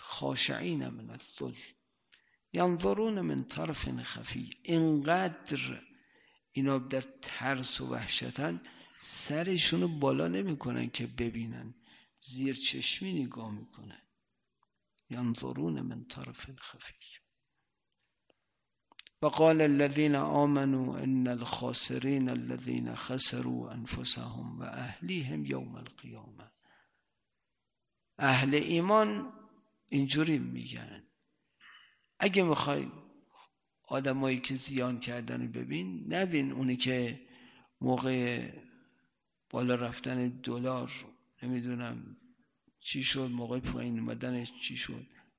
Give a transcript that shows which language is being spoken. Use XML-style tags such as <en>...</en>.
<ar>خاشعین من الذل ينظرون من طرف خفی،</ar> <fa>اینقدر اینا در ترس و وحشتن سرشونو بالا نمی کنن که ببینن، زیر چشمی نگاه میکنن.</fa> <ar>ينظرون من طرف خفی، فقال الذين آمنوا إن الخاسرين الذين خسروا أنفسهم وأهليهم يوم القيامة.</ar> <fa>أهل إيمان اینجوری میگن اگه میخوای آدمایی که زیان کردن ببین، نبین اونی که موقع بالا رفتن دلار نمیدونم چی شد، موقع پایین اومدنش چی شد.</fa>